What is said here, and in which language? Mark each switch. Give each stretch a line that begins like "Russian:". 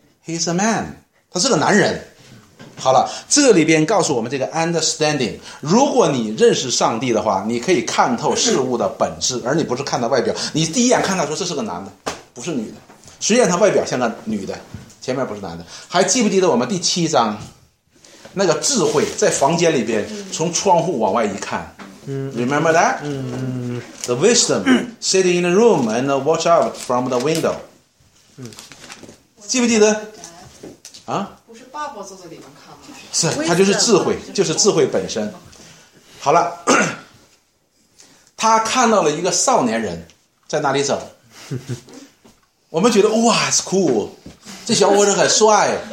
Chinese: ， he's a man，他是个男人。好了，这里边告诉我们这个 understanding， 如果你认识上帝的话，你可以看透事物的本质，而你不是看到外表。你第一眼看到说这是个男的，不是女的，虽然他外表像个女的，前面不是男的。还记不记得我们第七章那个智慧在房间里边，从窗户往外一看。
English: Remember that? The wisdom sitting in the room and watch out from the window.
Chinese: 记不记得？啊？不是爸爸坐在里面看吗？是，他就是智慧，就是智慧本身。好了，他看到了一个少年人在那里走。我们觉得哇 ， it's cool，这小伙子很帅。